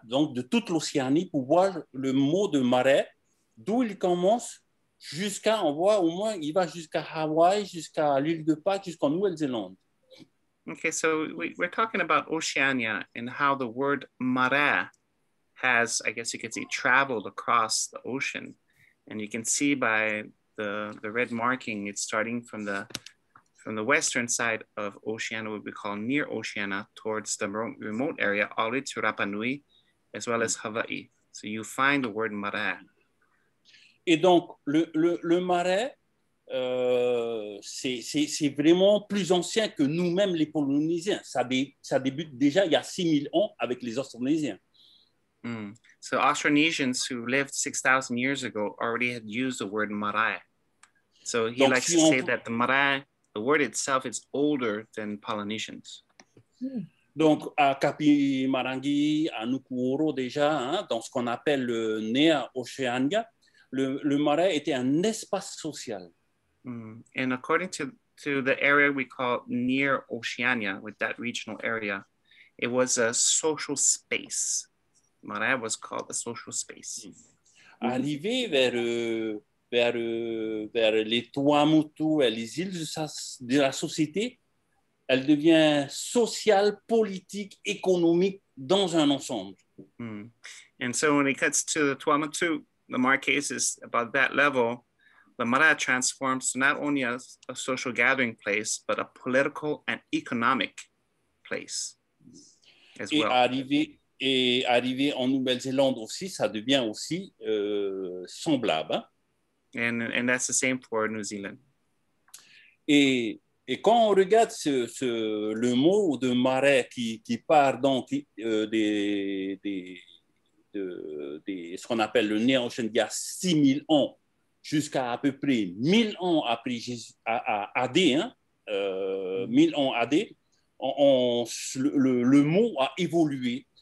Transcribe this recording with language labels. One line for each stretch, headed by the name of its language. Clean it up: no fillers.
French: Donc, de toute l'Océanie, pour voir le mot de marais. D'où il commence jusqu'à, on voit au moins, il va jusqu'à Hawaï, jusqu'à l'île de Pâques, jusqu'en Nouvelle-Zélande.
English: Okay, so we're talking about Oceania and how the word marae has, I guess you could say, traveled across the ocean. And you can see by the red marking, it's starting from the western side of Oceania, what we call near Oceania, towards the remote area, all the way to Rapa Nui, as well as Hawaii. So you find the word marae.
French: Et donc, le marais, c'est vraiment plus ancien que nous-mêmes, les Polynésiens. Ça débute déjà il y a 6000 ans avec les Austronésiens. Mm.
English: So Austronésians who lived 6,000 years ago already had used the word marae. So he Donc, likes si to say that the marae, the word itself, is older than Polynesians.
French: Donc, à Kapimarangi, à Nukuoro déjà, hein, dans ce qu'on appelle le Nea Oceania, le marae était un espace social. Mm.
English: And according to the area we call Near Oceania, with that regional area, it was a social space. Marae was called a social space. Mm.
French: Arrivé vers les Tuamotu et les îles de la société, elle devient sociale, politique, économique dans un ensemble. Mm.
English: And so when it gets to the Tuamotu, the Marquesas, about that level, the Marae transforms not only as a social gathering place, but a political and economic place as
French: et
English: well.
French: Arrivé en Nouvelle-Zélande aussi, ça devient aussi semblable. Hein?
English: And that's the same for New Zealand.
French: Et quand on regarde le mot de marais qui part donc ce qu'on appelle le Néo-Chine, il y a 6000 ans jusqu'à à peu près 1000 ans après Jésus, AD, hein, 1000 ans AD, le mot a évolué.